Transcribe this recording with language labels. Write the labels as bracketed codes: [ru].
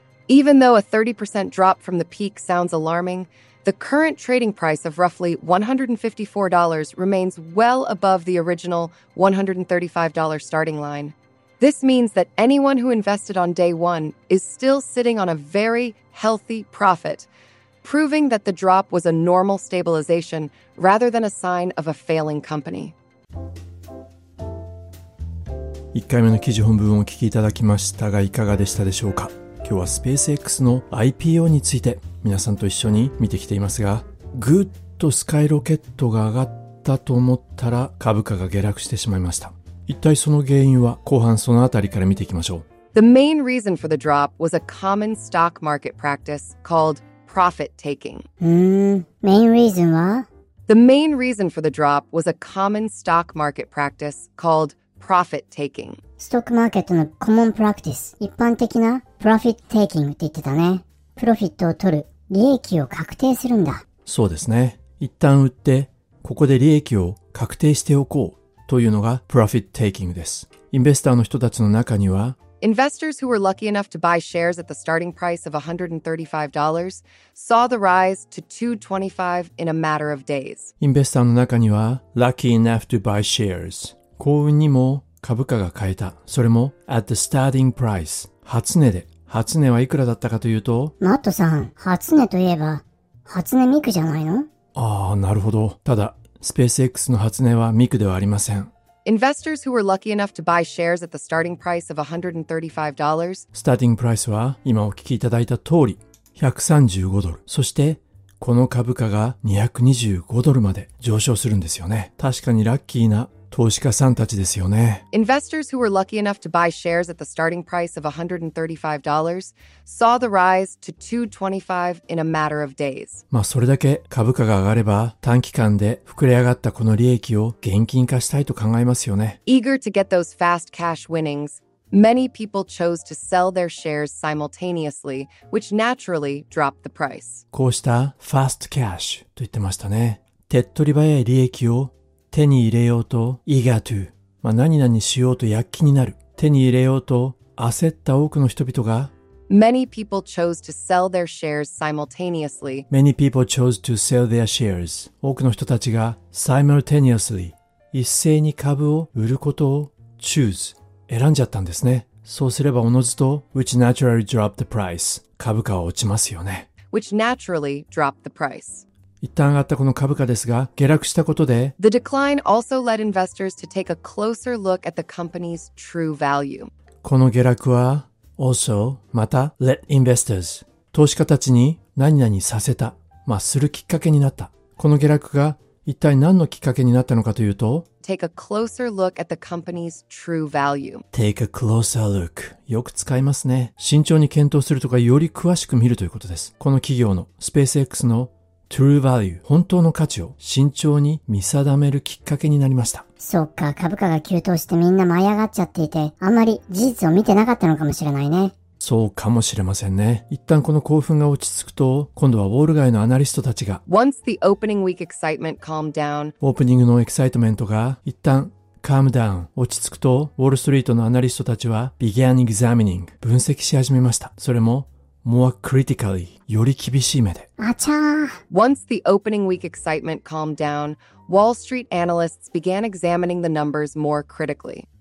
[en] Even though a 30% drop from the peak sounds alarming, the current trading price of roughly $154 remains well above the original $135 starting line. This means that anyone who invested on day one is still sitting on a very healthy profit, proving that the drop was a normal stabilization rather than a sign of a failing company. [ja] 1回目の記事本文をお聞きいただきましたが、いかがでしたでしょうか。今日は SpaceX の IPO について皆さんと一緒に見てきていますが、ぐっとスカイロケットが上がったと思ったら株価が下落してしまいました。一体その原因は、後半そのあたりから見ていきましょう。 [en] The main reason for the drop was a common stock market practice called profit taking. The main reason for the drop was a common stock market practice called profit taking. [ja] ストックマーケットの [en] common practice、 [ja] 一般的な [en] profit taking [ja] って言ってたね。プロフィットを取る、利益を確定するんだ。そうですね。一旦売って、ここで利益を確定しておこうというのが profit taking です。インベスターの人たちの中には、 [en] Investors who were lucky enough to buy shares at the starting price of $135 saw the rise to $225 in a matter of days. [ja] インベスターの中には、 [en] lucky enough to buy shares。 [ja] 幸運にも株価が買えた。それも [en] at the starting price。 [ja] 初値で。初値はいくらだったかというと、マットさん、初値といえば、初値ミクじゃないの？ああ、なるほど。ただ、SpaceX の初値はミクではありません。 [en] Investors who were lucky enough to buy shares at the starting price of $135. [ja] スターティングプライスは、今お聞きいただいた通り、$135。そして、この株価が$225まで上昇するんですよね。確かにラッキーな投資家さんたちですよね。 [en] Investors who were lucky enough to buy shares at the starting price of $135 saw the rise to $225 in a matter of days. [ja] まあそれだけ株価が上がれば、短期間で膨れ上がったこの利益を現金化したいと考えますよね。 [en] Eager to get those fast cash winnings, many people chose to sell their shares simultaneously, which naturally dropped the price. [ja] こうした [en] fast cash [ja] と言ってましたね。手っ取り早い利益を手に入れようと [en] eager to、 [ja] まあ何々しようと躍起になる、手に入れようと焦った多くの人々が、 [en] Many people chose to sell their shares simultaneously. Many people chose to sell their shares. [ja] 多くの人たちが [en] simultaneously、 [ja] 一斉に株を売ることを choose、 選んじゃったんですね。そうすればおのずと [en] which naturally dropped the price、 [ja] 株価は落ちますよね。 [en] Which naturally dropped the price. [ja] 一旦上がったこの株価ですが、下落したことで、 [en] The decline also led investors to take a closer look at the company's true value. [ja] この下落は、also、また、 [en] let investors、 [ja] 投資家たちに何々させた、まあ、するきっかけになった。この下落が、一体何のきっかけになったのかというと、 [en] Take a closer look at the company's true value. Take a closer look. [ja] よく使いますね。慎重に検討するとか、より詳しく見るということです。この企業の、SpaceX の、 [en] True value、 [ja] 本当の価値を慎重に見定めるきっかけになりました。そっか、株価が急騰してみんな舞い上がっちゃっていて、あんまり事実を見てなかったのかもしれないね。そうかもしれませんね。一旦この興奮が落ち着くと、今度はウォール街のアナリストたちが、 [en] Once the opening week excitement calmed down、 [ja] オープニングのエキサイトメントが一旦 [en] calm down [ja] 落ち着くと、ウォールストリートのアナリストたちは [en] began examining [ja] 分析し始めました。それも [en] more critically [ja] より厳しい目で。あちゃー。 [en] Once the opening week excitement calmed down, Wall Street analysts began examining the numbers more critically.